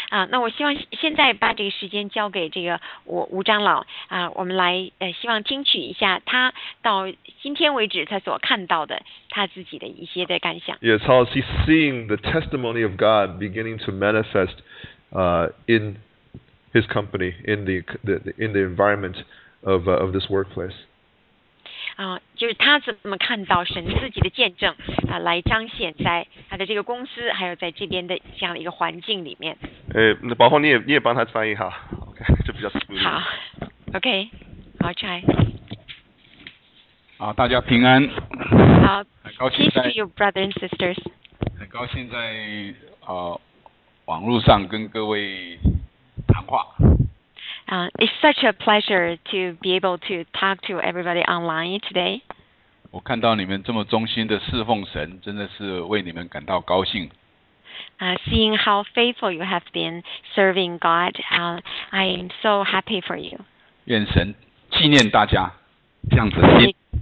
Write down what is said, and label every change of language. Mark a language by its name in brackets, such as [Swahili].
[Chinese] 那我希望现在把这个时间交给这个吴长老我们来希望听取一下他到今天为止他所看到的他自己的一些的感想。 [English] Yes, how is he seeing the testimony of God beginning to manifest? In his company, in the environment of this workplace. [Chinese] 就是他怎么看到神自己的见证来彰显在他的这个公司，还有在这边的这样一个环境里面。包括你也帮他翻译哈 ，OK， 就比较 smooth。好 ，OK， 好 ，try。好，大家平安。好，很高兴在。 [English] Peace to you, brothers and sisters。 [Chinese] 很高兴在网络上跟各位谈话。 [English] It's such a pleasure to be able to talk to everybody online today. [Chinese] 我看到你们这么忠心的侍奉神，真的是为你们感到高兴。 [English] Seeing how faithful you have been serving God, I am so happy for you. [Chinese] 愿神纪念大家这样子的心。